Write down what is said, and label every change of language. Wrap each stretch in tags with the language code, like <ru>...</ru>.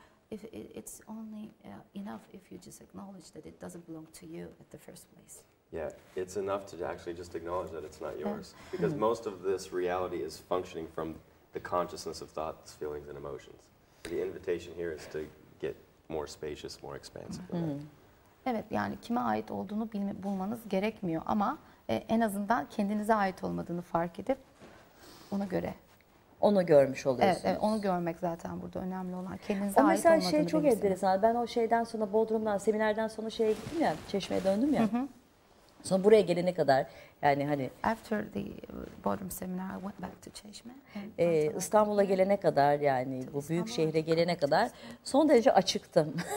<en>If it's only enough if you just acknowledge that it doesn't belong to you at the first place. Yeah, it's enough to actually just acknowledge that it's not yours. Yeah. Because most of this reality is functioning from the consciousness of thoughts, feelings and emotions. The invitation here is to get more spacious, more expansive. Hmm.</en> <tr>Evet, yani kime ait olduğunu bulmanız gerekmiyor ama en azından kendinize ait olmadığını fark edip ona göre. Onu görmüş oluyorsunuz. Evet, onu görmek zaten burada önemli olan. Kendinize ait olmadığını. O mesela şey çok enteresan. Ben o şeyden sonra Bodrum'dan, seminerden sonra şeye gittim ya, Çeşme'ye döndüm ya. Hı hı. Sonra buraya gelene kadar yani hani...</tr> <en>After the Bodrum seminar I went back to Çeşme.</en> <tr>İstanbul'a gelene kadar yani bu büyük şehre gelene kadar son derece açıktım.</tr>